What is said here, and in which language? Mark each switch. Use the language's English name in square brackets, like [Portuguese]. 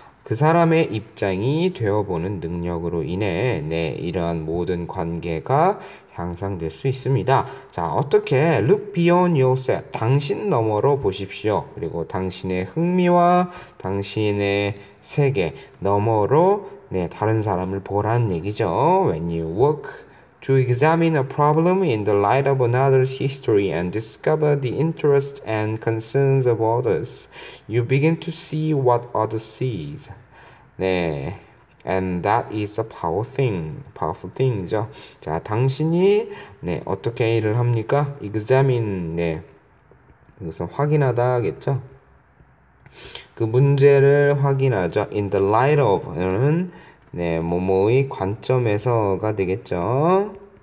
[Korean] 그 사람의 입장이 되어 보는 능력으로 인해 네, 이러한 모든 관계가 향상될 수 있습니다. 자, 어떻게 [English] look beyond yourself, [Korean] 당신 너머로 보십시오. 그리고 당신의 흥미와 당신의 세계 너머로 네, 다른 사람을 보라는 얘기죠. [English] When you work to examine a problem in the light of another's history and discover the interests and concerns of others, you begin to see what others see. 네. And that is a powerful thing이죠. [Korean] 자, 당신이 네, 어떻게 일을 합니까? Examine 네. 이것은 확인하다겠죠. 그 문제를 확인하죠. [English] In the light of [Korean] 는 네, 뭐뭐의 관점에서가 되겠죠.